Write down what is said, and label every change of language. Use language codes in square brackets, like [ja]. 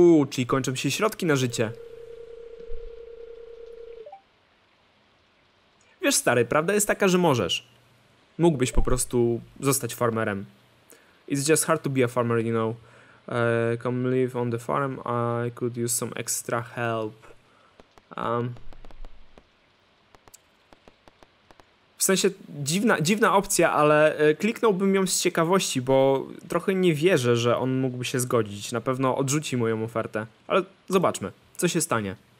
[pl] Czyli kończą się środki na życie. Wiesz, stary, prawda jest taka, że możesz. Mógłbyś po prostu zostać farmerem. [en] It's just hard to be a farmer, you know. Come live on the farm, I could use some extra help. [pl] W sensie dziwna opcja, ale kliknąłbym ją z ciekawości, bo trochę nie wierzę, że on mógłby się zgodzić. Na pewno odrzuci moją ofertę. Ale zobaczmy, co się stanie.